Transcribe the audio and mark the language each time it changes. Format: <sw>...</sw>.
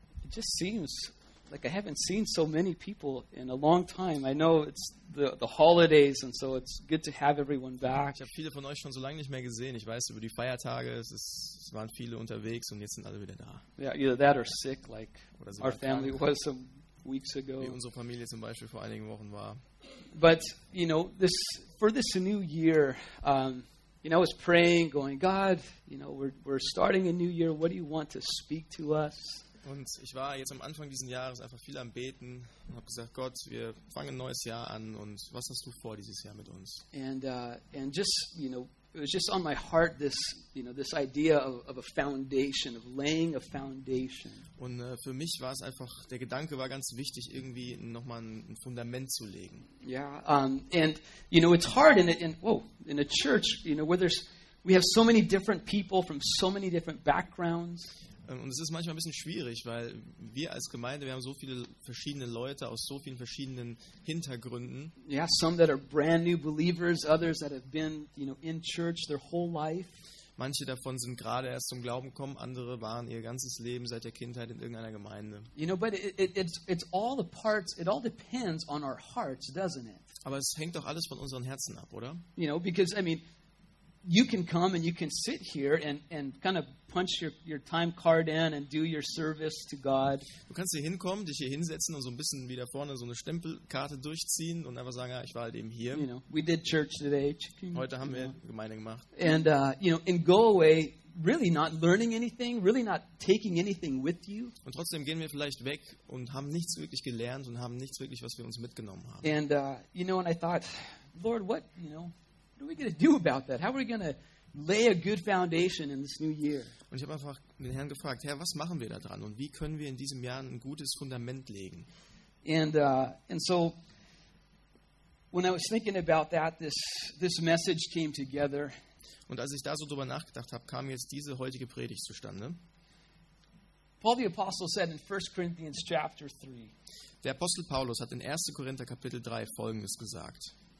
<en>just seems like I haven't seen so many people in a long time. I know it's the holidays, and so it's good to have everyone back.</en> <de>Ich habe viele von euch schon so lange nicht mehr gesehen. Ich weiß über die Feiertage, es waren viele unterwegs und jetzt sind alle wieder da.</de> <en>Yeah, either that or sick, like our family was some weeks ago.</en> <de>Wie unsere Familie zum Beispiel vor einigen Wochen war.</de> <en>But you know, for this new year, you know, I was praying, going, God, you know, we're starting a new year. What do you want to speak to us?</en> <de>Und ich war jetzt am Anfang dieses Jahres einfach viel am Beten und habe gesagt, Gott, wir fangen ein neues Jahr an und was hast du vor dieses Jahr mit uns?</de> <en>And just, you know, it was just on my heart, this, you know, this idea of a foundation, of laying a foundation.</en> <de>Und für mich war es einfach, der Gedanke war ganz wichtig, irgendwie nochmal ein Fundament zu legen.</de> <en>Yeah, and, you know, it's hard in a church, you know, where we have so many different people from so many different backgrounds.</en> <de>Und es ist manchmal ein bisschen schwierig, weil wir als Gemeinde, wir haben so viele verschiedene Leute aus so vielen verschiedenen Hintergründen.</de> <en>Yeah, some that are brand new believers, others that have been, you know, in church their whole life.</en> <de>Manche davon sind gerade erst zum Glauben gekommen, andere waren ihr ganzes Leben seit der Kindheit in irgendeiner Gemeinde.</de> <en>You know, but it's all the parts, it all depends on our hearts, doesn't it?</en> <de>Aber es hängt doch alles von unseren Herzen ab, oder?</de> <en>You know, because I mean, you can come and you can sit here and kind of punch your time card in and do your service to God.</en> <de>Du kannst hier hinkommen, dich hier hinsetzen und so ein bisschen wieder vorne so eine Stempelkarte durchziehen und einfach sagen, ja, ich war halt eben hier.</de> <en>You know, we did church today.</en> <de>Heute haben wir Gemeinde gemacht.</de> <en>And you know, and go away really not learning anything, really not taking anything with you.</en> <de>Und trotzdem gehen wir vielleicht weg und haben nichts wirklich gelernt und haben nichts wirklich, was wir uns mitgenommen haben.</de> <en>And you know, and I thought, Lord, what, you know, what are we going to do about that? How are we going to lay a good foundation in this new year?</en> <de>Und ich habe einfach den Herrn gefragt, Herr, was machen wir da dran und wie können wir in diesem Jahr ein gutes Fundament legen?</de> <en>And so when I was thinking about that, this message came together.</en> <de>Und als ich da so drüber nachgedacht habe, kam jetzt diese heutige Predigt zustande.</de> <en>Paul the Apostle said in 1 Corinthians chapter 3.</en> <de>Der Apostel Paulus hat in 1. Korinther Kapitel 3 Folgendes gesagt.</de>